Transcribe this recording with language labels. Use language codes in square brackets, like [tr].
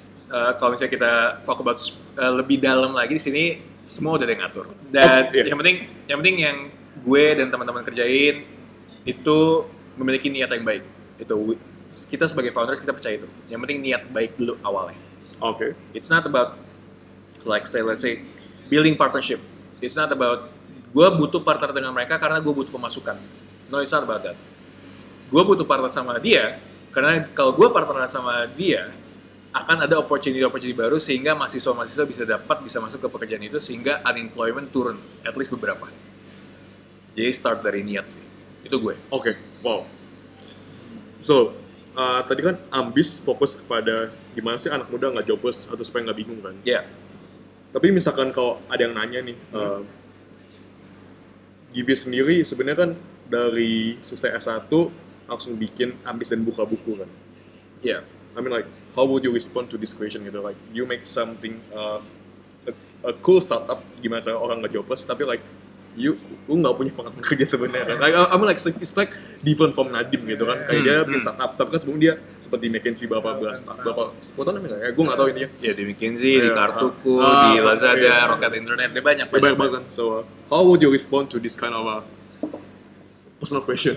[id] Kalau misalnya kita [en] talk about [id] lebih dalam lagi di sini semua udah ada yang ngatur. Dan oh, yeah. yang penting yang gue dan teman-teman kerjain itu memiliki niat yang baik. Itu kita sebagai founders kita percaya itu. Yang penting niat baik dulu awalnya. Oke. [en] Okay. It's not about like say let's say building partnership. It's not about [id] gue butuh partner dengan mereka karena gue butuh pemasukan. [en] No, it's not about that. [id] Gue butuh partner sama dia karena kalau gue partner sama dia akan ada opportunity baru sehingga mahasiswa bisa dapat bisa masuk ke pekerjaan itu sehingga unemployment turun [en] at least [id] beberapa. Jadi start dari niat sih. Itu gue. Oke. Okay. Wow. So, tadi kan ambis fokus kepada gimana sih anak muda nggak jobless atau supaya nggak bingung kan? Iya. Yeah. Tapi misalkan kalau ada yang nanya nih, Gibi sendiri sebenarnya kan dari selesai S1 langsung bikin ambis dan buka buku kan? Iya. [en] Yeah. I mean like, how would you respond to this question [id] gitu? [en] Like, you make something a cool startup [id] gimana cara orang nggak jobless tapi [en] like you [id] nggak punya pengalaman kerja sebenarnya. [en] Like, I mean like it's like different from Nadim [id] gitu kan. Kayak dia bikin startup, tapi kan sebelumnya dia seperti McKinsey berapa 10 tahun namanya. Gue nggak tahu ini ya. Ya di McKinsey, di Kartuku, di Lazada, yeah, Rocket Internet, dia banyak. Banyak banget. [en] So how would you respond to this kind of a personal question?